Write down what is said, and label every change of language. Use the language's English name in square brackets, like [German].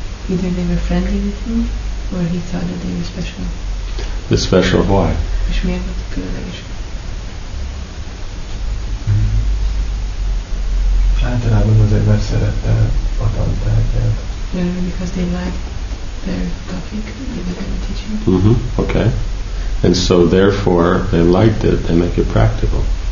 [English] Either they were friendly with you, or he thought that they were special. The special why? [Hungarian] És miért volt különleges? Általában azért, mert szerette a tantárgyát. [English] Yeah, because they liked their topic, they were going to teach you. Mm-hmm. Okay. And so therefore, they liked it, they make it practical.